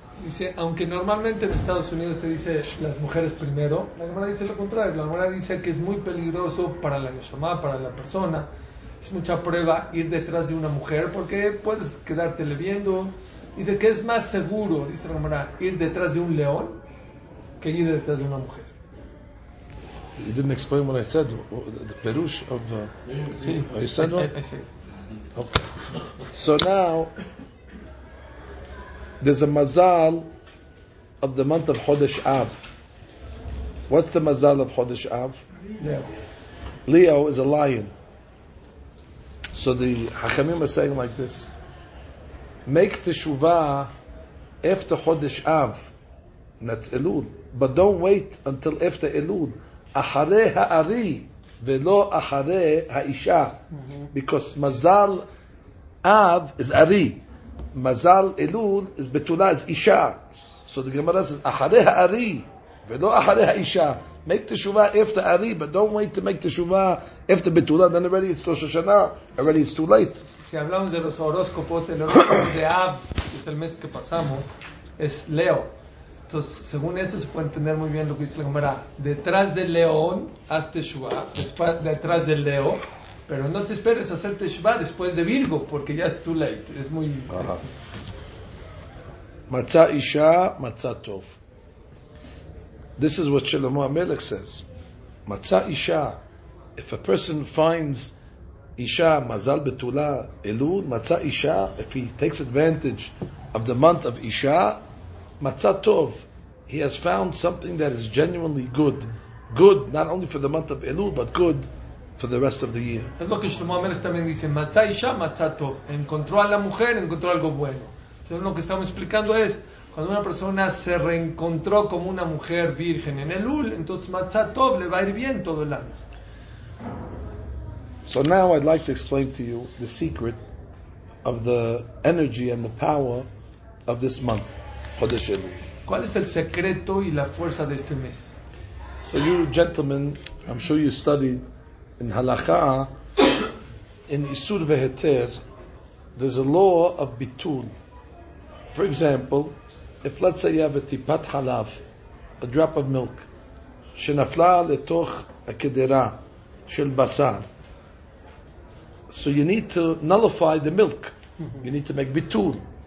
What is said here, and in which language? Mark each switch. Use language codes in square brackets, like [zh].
[es] Dice, aunque normalmente en Estados Unidos se dice las mujeres primero, la Gemara dice lo contrario. La Gemara dice que es muy peligroso para la neshama, para la persona. Es mucha prueba ir detrás de una mujer porque puedes quedártele viendo. Dice que es más seguro, dice la Gemara, ir detrás de un león que ir detrás de una mujer. [en] You didn't explain what I said. The perush of [es] sí. [en] You said I said. Okay. So now there's a mazal of the month of Chodesh Av. What's the mazal of Chodesh Av? Leo. Leo is a lion. So the Hakamim are saying like this: make teshuvah after Chodesh Av, that's Elul, but don't wait until after Elul. [he] Ahare ha'ari velo ahare ha'isha, [en] because mazal Av is Ari, mazal Elul is Betula is Isha. So the Gemara says [he] ahare ha'ari velo ahare ha'isha. [en] Make teshuvah after Ari, but don't wait to make teshuvah after Betula. Then already it's Rosh Hashanah. Already it's too late. [es] Si hablamos de los horóscopos, el horóscopo de Av, que es el mes que pasamos, es Leo. Entonces, según eso, se puede entender muy bien lo que dice la Gemara. Detrás del león, haz teshuvah. Detrás del Leo, Pero no te esperes a hacer Teshuvah después de Virgo, porque ya es [en] too late. [es] Es muy... [he] Matza Isha, Matza Tov. [en] This is what Shlomo HaMelech says. Matza Isha. If a person finds Isha, Mazal Betula, Elul, Matza Isha, if he takes advantage of the month of Isha, [he] Matza Tov. [en] He has found something that is genuinely good. Good, not only for the month of Elul, but good for the rest of the year. [es] Es lo que Shlomo HaMelech también dice, [he] Matza Isha, Matza Tov. [es] Encontró a la mujer, encontró algo bueno. Entonces, lo que estamos explicando es, cuando una persona se reencontró como una mujer virgen en Elul, entonces [he] Matza Tov [es] le va a ir bien todo el año. [en] So now I'd like to explain to you the secret of the energy and the power of this month, Chodesh Elul. [es] ¿Cuál es el secreto y la fuerza de este mes? [en] So you gentlemen, I'm sure you studied in Halakha, in Isur Veheter, there's a law of Bitul. For example, if let's say you have a tipat halav, a drop of milk, [he] shenafla letoch a kedera shel basar, [en] so you need to nullify the milk. You need to make bitul.